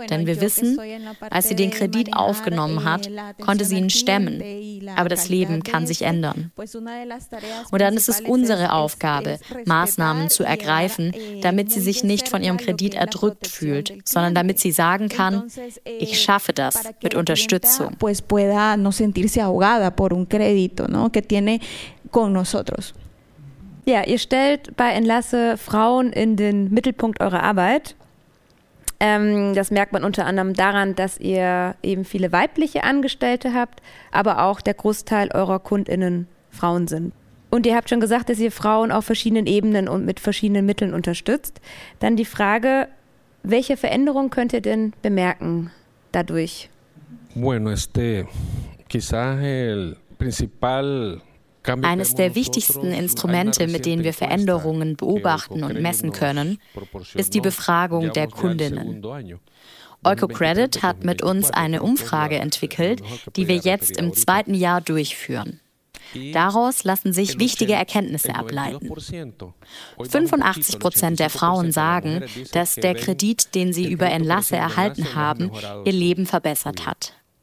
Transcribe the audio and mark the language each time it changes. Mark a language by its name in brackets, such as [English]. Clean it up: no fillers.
[German] Denn wir wissen, als sie den Kredit aufgenommen hat, konnte sie ihn stemmen. Aber das Leben kann sich ändern. Und dann ist es unsere Aufgabe, Maßnahmen zu ergreifen, damit sie sich nicht von ihrem Kredit erdrückt fühlt, sondern damit sie sagen kann, ich schaffe das mit Unterstützung. [Spanish] Pues pueda no sentirse ahogada por un crédito, ¿no? Que tiene con nosotros. [German] Ja, ihr stellt bei Enlace Frauen in den Mittelpunkt eurer Arbeit. Das merkt man unter anderem daran, dass ihr eben viele weibliche Angestellte habt, aber auch der Großteil eurer KundInnen Frauen sind. Und ihr habt schon gesagt, dass ihr Frauen auf verschiedenen Ebenen und mit verschiedenen Mitteln unterstützt. Dann die Frage, welche Veränderungen könnt ihr denn bemerken dadurch? [Spanish] Bueno, quizás el principal [German] Eines der wichtigsten Instrumente, mit denen wir Veränderungen beobachten und messen können, ist die Befragung der Kundinnen. Oikocredit hat mit uns eine Umfrage entwickelt, die wir jetzt im zweiten Jahr durchführen. Daraus lassen sich wichtige Erkenntnisse ableiten. 85% der Frauen sagen, dass der Kredit, den sie über Enlace erhalten haben, ihr Leben verbessert hat.